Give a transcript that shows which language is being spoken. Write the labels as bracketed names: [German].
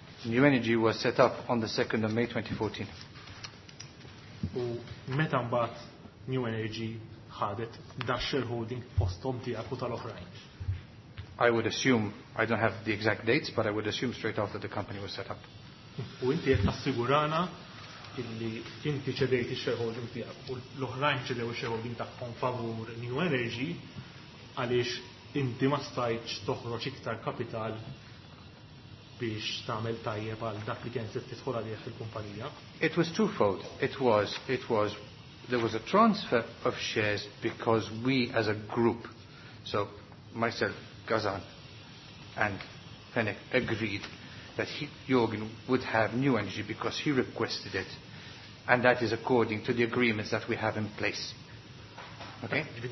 [English] New Energy was set up on the 2nd of May 2014. [Maltese] U meta mbagħad New Energy ħadet dax-shareholding fosthom tiegħek u tal-oħrajn? [English] I would assume, I don't have the exact dates, but I would assume straight after the company was set up. [Maltese] U inti qed tassigurana illi inti ċedejt ix-shareholding tiegħek u l-oħrajn ċedew ix-shareholding tagħhom favur New Energy għaliex inti ma stajtx toħroġ iktar kapital biex tagħmel tajjeb għal dak li kien se tidħol għalih fil-kumpanija. [English] It was twofold. It was there was a transfer of shares because we as a group, so myself, Ghazan and Fennec, agreed that Jorgen would have New Energy because he requested it, and that is according to the agreements that we have in place. Okay?